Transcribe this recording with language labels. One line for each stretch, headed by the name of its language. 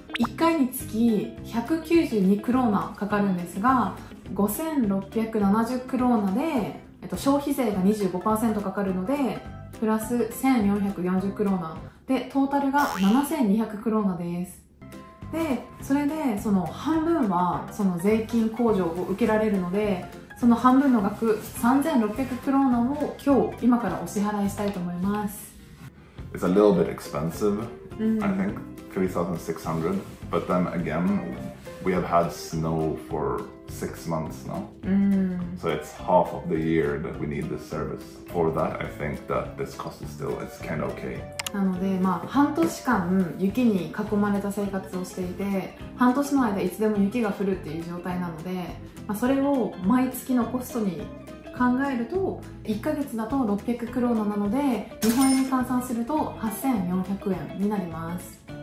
Japanese: 1回につき192クローナかかるんですが、5670クローナで消費税が 25% かかるのでプラス1440クローナで、トータルが7200クローナです。で、それでその半分はその税金控除を受けられるので、その半分の額3600クローナを今日今からお支払いしたいと思います。
English: It's a little bit expensive, I think 3600, but then again we have had snow for6 months now. So it's half of the year that we need this service. For that, I think that this cost is still, it's kind of okay.
Japanese: なので、まあ、半年間雪に囲まれた生活をしていて、半年の間いつでも雪が降るっていう状態なので、まあ、それを毎月のコストに考えると1ヶ月だと600クローナなので、日本円に換算すると8400円になります。